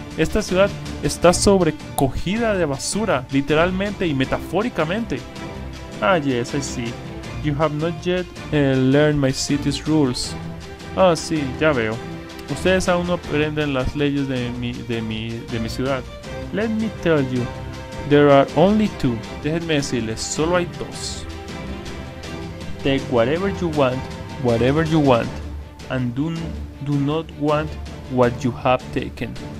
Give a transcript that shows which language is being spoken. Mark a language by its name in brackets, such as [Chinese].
[Spanish] Esta ciudad está sobrecogida de basura, literalmente y metafóricamente. [English] Ah, yes, I see. You have not yet learned my city's rules. [Spanish] Ah, sí, ya veo. Ustedes aún no aprenden las leyes de mi ciudad. [English] Let me tell you, there are only two. [Spanish] Déjenme decirles, solo hay dos. [English] Take whatever you want, and do not want what you have taken.